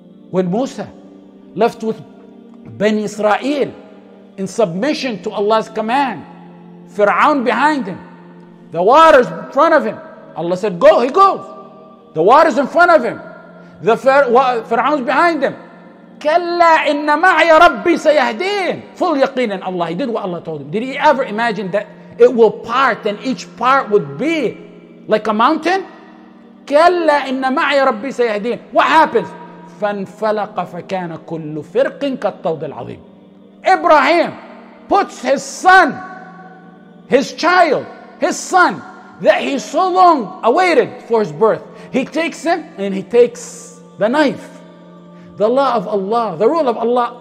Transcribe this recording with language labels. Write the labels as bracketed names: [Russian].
[English] When Musa left with Bani Israel in submission to Allah's command, Fir'aun behind him, the waters in front of him, Allah said, go, he goes. The waters in front of him, the Fir'aun's behind him. [Arabic] كَلَّا إِنَّ مَعْيَ رَبِّي سَيَهْدِينَ [English] Full yaqeen in Allah. He did what Allah told him. Did he ever imagine that it will part and each part would be like a mountain? [Arabic] كَلَّا إِنَّ مَعْيَ رَبِّي سَيَهْدِينَ [English] What happens? [Arabic] فَانْفَلَقَ فَكَانَ كُلُّ فِرْقٍ كَالطَّوْدِ الْعَظِيمِ [English] Ibrahim puts his son, his child, his son that he so long awaited for his birth. He takes him and he takes the knife. The law of Allah, the rule of Allah.